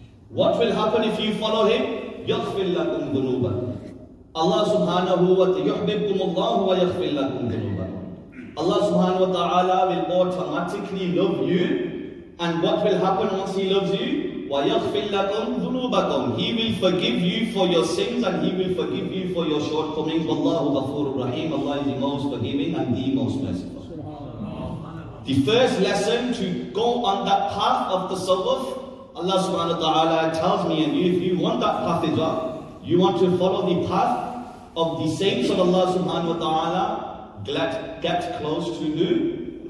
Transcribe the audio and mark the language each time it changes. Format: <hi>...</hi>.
<en>What will happen if you follow him?</en> <ar>يَغْفِرْ لَكُمْ ذُنُوبًا. Allah subhanahu wa ta'ala, يُحْبِبْكُمُ اللَّهُ وَيَغْفِرْ لَكُمْ ذُنُوبًا.</ar> <en>Allah subhanahu wa ta'ala will automatically love you. And what will happen once he loves you?</en> <ar>وَيَغْفِرْ لَكُمْ ذُنُوبَكُمْ.</ar> <en>He will forgive you for your sins and he will forgive you for your shortcomings.</en> <ar>وَاللَّهُ غَفُورُ الرَّحِيمُ.</ar> <en>Allah is the most forgiving and the most merciful. The first lesson to go on that path of the tasawwuf, Allah subhanahu wa ta'ala tells me and you, if you want that path as well, you want to follow the path of the saints of Allah subhanahu wa ta'ala, get close to who?</en>